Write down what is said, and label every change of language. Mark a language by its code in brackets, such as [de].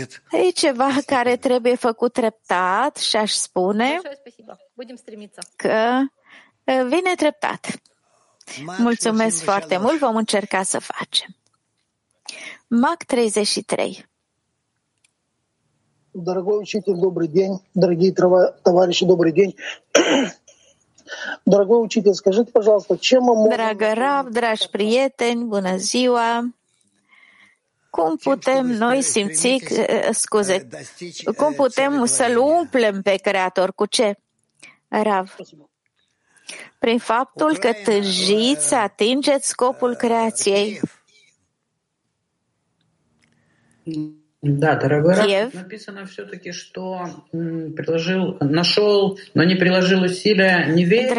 [ro] E ceva care trebuie făcut treptat și aș spune că vine treptat. Mulțumesc foarte mult, vom încerca să facem. Mac 33. [ru] Дорогой учитель, добрый день. Дорогие товарищи, добрый день. Дорогой учитель, скажите, пожалуйста, чем мы можем... [ro] Dragă Rav, dragi prieteni, bună ziua! Cum putem noi simți, scuze, cum putem să-L umplem pe Creator? Cu ce, Rav? Prin faptul că tânjiți să atingeți scopul creației. Da, dragă Rav, [ru] написано все-таки, что приложил, нашел, но не приложил усилия, не верит.